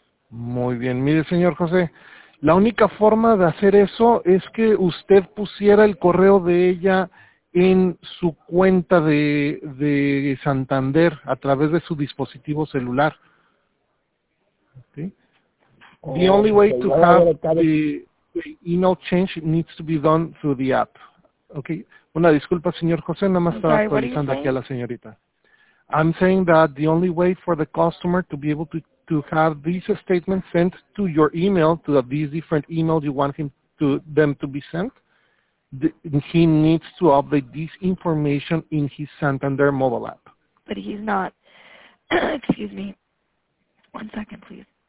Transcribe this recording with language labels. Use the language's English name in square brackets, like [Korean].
[Spanish] Muy bien, mire, señor José, la única forma de hacer eso es que usted pusiera el correo de ella en su cuenta de Santander a través de su dispositivo celular. [English] Okay. The only way to have the email change needs to be done through the app. Okay. [Spanish] Una disculpa, señor José, nada más estaba actualizando aquí a la señorita. [English] I'm saying that the only way for the customer to be able to have these statements sent to your email, to these different emails you want him to them to be sent, he needs to update this information in his Santander mobile app. But he's not. Excuse me. One second, please.